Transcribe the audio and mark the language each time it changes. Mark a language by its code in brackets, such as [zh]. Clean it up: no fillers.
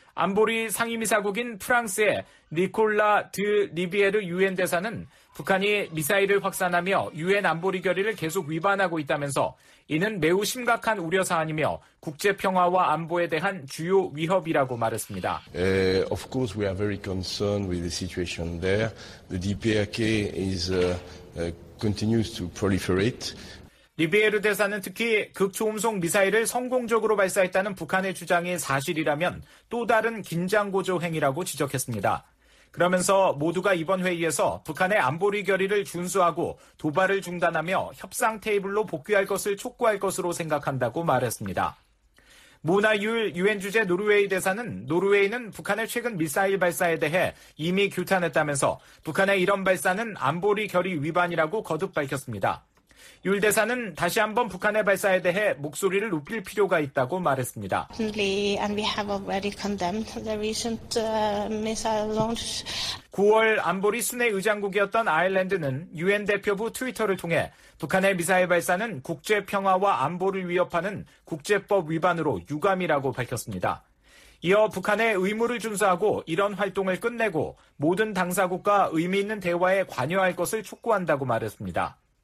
[ko] 안보리 상임이사국인 프랑스의 니콜라 드 리비에르 유엔 대사는 북한이 미사일을 확산하며 유엔 안보리 결의를 계속 위반하고 있다면서 이는 매우 심각한 우려 사안이며 국제 평화와 안보에 대한 주요 위협이라고 말했습니다. [en] Of course we are very concerned with the situation there. The DPRK is continues to proliferate. [ko] 리비에르 대사는 특히 극초음속 미사일을 성공적으로 발사했다는 북한의 주장이 사실이라면 또 다른 긴장고조 행위라고 지적했습니다. 그러면서 모두가 이번 회의에서 북한의 안보리 결의를 준수하고 도발을 중단하며 협상 테이블로 복귀할 것을 촉구할 것으로 생각한다고 말했습니다. 모나 율 유엔 주재 노르웨이 대사는 노르웨이는 북한의 최근 미사일 발사에 대해 이미 규탄했다면서 북한의 이런 발사는 안보리 결의 위반이라고 거듭 밝혔습니다. 율 대사는 다시 한번 북한의 발사에 대해 목소리를 높일 필요가 있다고 말했습니다. [en] Recently, and we have already condemned the recent missile launch. [ko] 9월 안보리 순회 의장국이었던 아일랜드는 유엔 대표부 트위터를 통해 북한의 미사일 발사는 국제 평화와 안보를 위협하는 국제법 위반으로 유감이라고 밝혔습니다. 이어 북한의 의무를 준수하고 이런 활동을 끝내고 모든 당사국과 의미 있는 대화에 관여할 것을 촉구한다고 말했습니다.